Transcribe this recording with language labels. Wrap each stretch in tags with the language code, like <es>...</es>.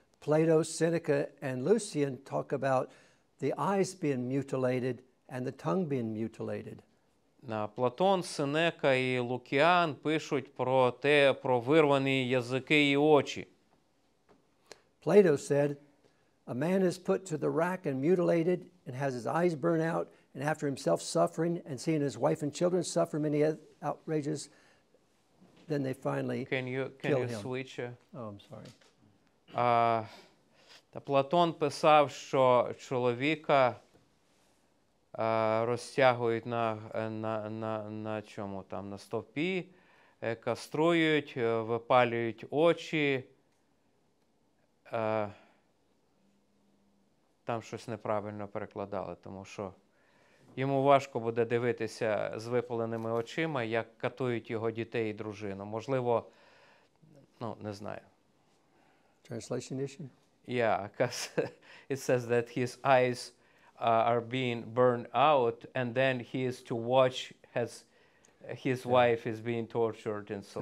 <en>Plato, Seneca, and Lucian talk about the eyes being mutilated and the tongue being mutilated.</en> <uk>Платон, Сенека і Лукіан пишуть про те, про вирвані язики і очі.</uk> <en>Plato said, a man is put to the rack and mutilated and has his eyes burned out and after himself suffering and seeing his wife and children suffer many outrages, then they finally kill him. Can you switch? Oh, I'm sorry.</en> <uk>Платон писав, що чоловіка розтягують на чому там на стовпі, каструють, випалюють очі. Там щось неправильно перекладали, тому що йому важко буде дивитися з випаленими очима, як катують його дітей і дружину. Можливо, ну, не знаю.</uk> <en>Translation issue? Yeah, because it says that his eyes are being burned out and then he is to watch as his wife is being tortured and so.</en>